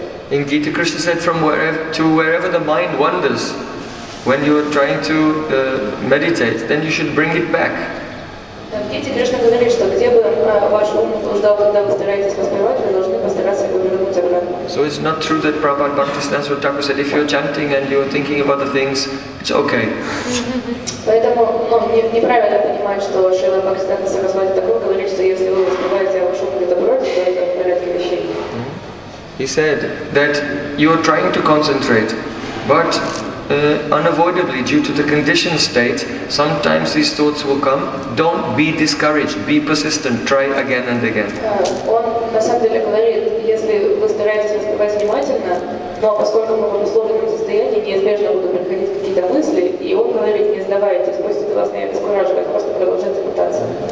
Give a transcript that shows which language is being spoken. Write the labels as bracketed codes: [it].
[en] In Gita, Krishna said, from wherever to wherever the mind wanders, when you are trying to meditate, then you should bring it back. [ru] Кити Кришна говорит, что где бы ваш ум блуждал, когда вы стараетесь воспевать, вы должны постараться его вернуть обратно. [en] So it's not true that Prabhupada Bhaktisiddhanta Thakur said, if you're chanting and you're thinking about the things, it's okay. [ru] Поэтому неправильно понимать, что Шрила Бхактисиддханта Сарасвати Такур говорит, что если вы воспеваете ваш ум где-то вроде, то это в порядке вещей. [en] He said that you are trying to concentrate, but unavoidably, due to the conditioned state, sometimes these thoughts will come. Don't be discouraged. Be persistent. Try again and again. [ru] Он на самом деле говорит, если вы стараетесь воспевать внимательно, но поскольку мы в условленном состоянии, неизбежно будут приходить какие-то мысли, и он говорит, не сдавайтесь, пусть это вас не обескураживает, просто продолжайте пытаться.